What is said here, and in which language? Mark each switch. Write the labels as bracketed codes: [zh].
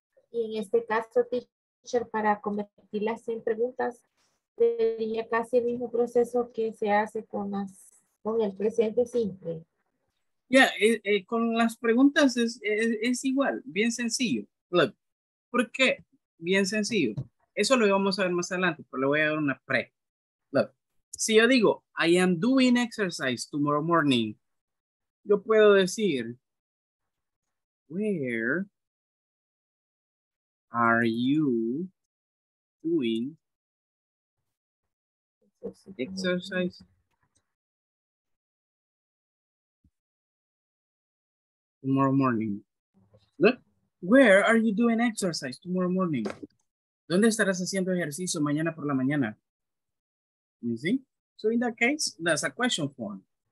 [es] Y en este caso, teacher, para convertirlas en preguntas, sería casi el mismo proceso que se hace con el presente simple. Yeah, con las preguntas es igual, bien sencillo. Look, ¿por qué? Bien sencillo. Eso lo vamos a ver más adelante, pero le voy a dar una pre. [en] Look, [es] si yo digo, [en] I am doing exercise tomorrow morning, [es] yo puedo decir, [en] where are you doing exercise tomorrow morning? Look, where are you doing exercise tomorrow morning? [es] ¿Dónde estarás haciendo ejercicio mañana por la mañana? [en] You see? So in that case, that's a question form.